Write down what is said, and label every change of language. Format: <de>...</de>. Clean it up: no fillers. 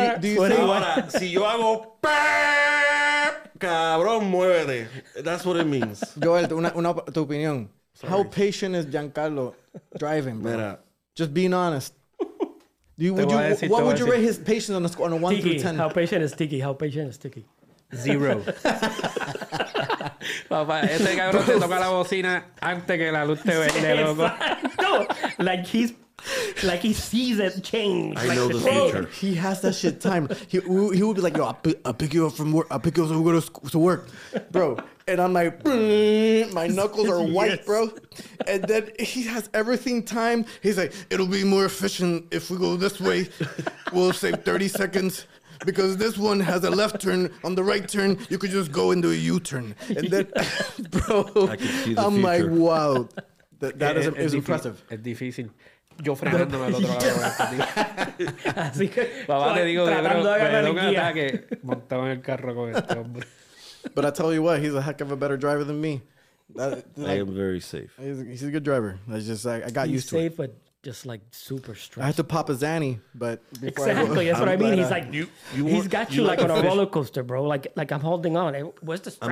<en>Do you think?</en> <es>Si yo hago burp, cabrón, muévete.</es> <en>That's what it means. Joel,</en> <es>tu opinión.</es> <en>Sorry. How patient is Giancarlo driving, bro?</en> <es>Mira.</es> <en>Just being honest. Would you rate his patience on a score on a 1 Tiki, through 10? How patient is Tiki? Zero.</en> <es>Papá, ese cabrón te toca la bocina antes que la luz te verde, loco.</es> <en>No, like he sees it change. I know the future. He has that shit timed. He would be like, yo, I'll pick you up from work. I'll pick you up so we go to work, bro. And I'm like, my knuckles are white, yes, bro. And then he has everything timed. He's like, it'll be more efficient if we go this way. We'll save 30 seconds. Because this one has a left turn. On the right turn, you could just go into a U-turn. And then, bro, I'm like, wow. That is impressive.</en> <es>Es difícil. Yo frenándome al otro lado. Así que, papá, te digo, tratando de ganar que montaba en el carro con este hombre.</es> <en>But I tell you what, he's a heck of a better driver than me. I am very safe. He's a good driver. I got used to it. He's safe, but just like super stressed. I had to pop a Zanny, but that's what I mean. He's like, he's got you like on a roller coaster, bro. Like I'm holding on. Where's the strap?</en>